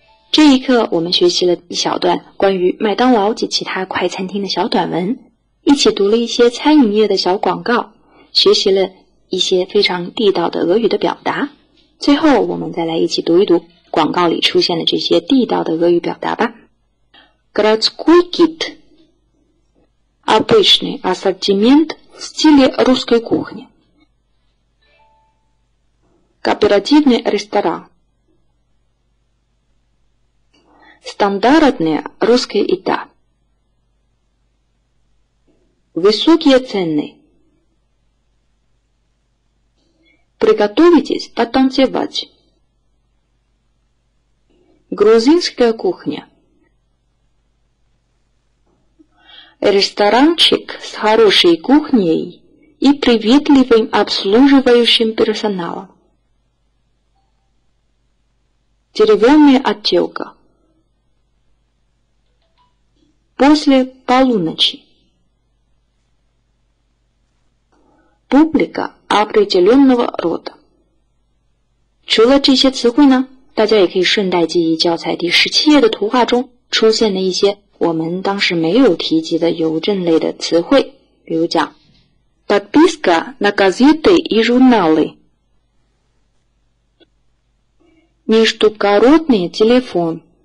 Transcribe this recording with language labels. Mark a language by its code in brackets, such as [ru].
[zh] 这一课我们学习了一小段关于麦当劳及其他快餐厅的小短文，一起读了一些餐饮业的小广告，学习了一些非常地道的俄语的表达，最后我们再来一起读一读广告里出现的这些地道的俄语表达吧。 [ru] Городской гид Обычный ассортимент в стиле русской кухни。 Кооперативный ресторан. Стандартная русская еда. Высокие цены. Приготовитесь потанцевать. Грузинская кухня. Ресторанчик с хорошей кухней и приветливым обслуживающим персоналом. Деревянная отделка. После полуночи. Публика определенного рода. [zh] 除了这些词汇呢，大家也可以顺带记忆教材第17页的图画中出现的一些我们当时没有提及的邮政类的词汇，比如讲 [ru] подписка на газеты и журналы. Междугородный телефон.